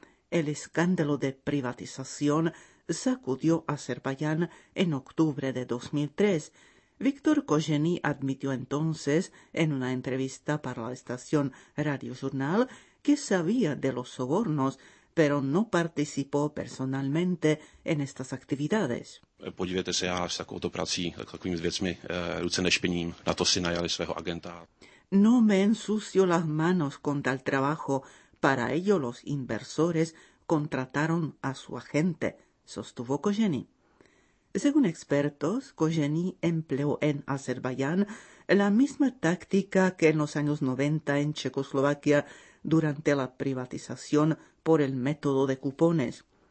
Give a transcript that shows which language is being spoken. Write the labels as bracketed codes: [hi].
[es] El escándalo de privatización sacudió a Azerbaiyán en octubre de 2003. Viktor Kožený admitió entonces, en una entrevista para la estación Radio Journal, que sabía de los sobornos, pero no participó personalmente en estas actividades. [cs] Podívejte se, ya s takovouto prací, takovými věcmi, ruce nešpiním, na to si najali svého agenta. [es] No me ensucio las manos con tal trabajo. Para ello, los inversores contrataron a su agente, sostuvo Kožený. Según expertos, Kožený empleó en Azerbaiyán la misma táctica que en los años 90 en Checoslovaquia durante la privatización por el método de cupones.